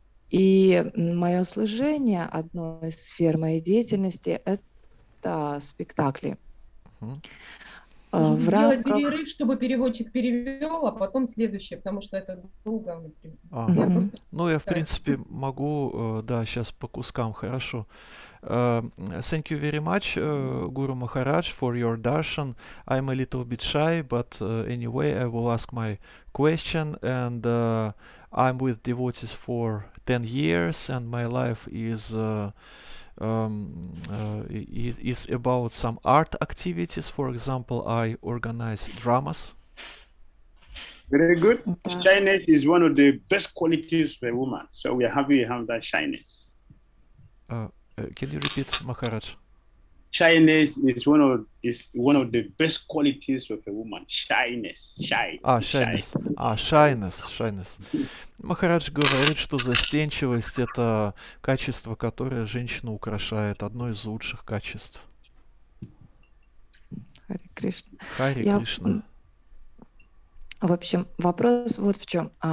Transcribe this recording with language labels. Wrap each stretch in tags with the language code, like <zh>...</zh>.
<ru>И мое служение, одно из сфер моей деятельности, это спектакли. В рамках... Сделать перерыв, чтобы переводчик перевел, а потом следующее, потому что это долго. Ну, я, в принципе, могу, да, сейчас по кускам, хорошо.</ru> <en>Thank you very much, Guru Maharaj, for your darshan. I'm a little bit shy, but anyway, I will ask my question. And I'm with devotees for 10 years, and my life is... is about some art activities. For example, I organize dramas. Very good. Yeah. Shyness is one of the best qualities for a woman. So we are happy you have that shyness. Can you repeat, Maharaj? Shyness is one of the best qualities of a woman. Shyness.</en> <ru>Maharaj говорит, что застенчивость — это качество, которое женщину украшает, одно из лучших качеств. Хари Кришна. В общем, вопрос вот в чем.</ru>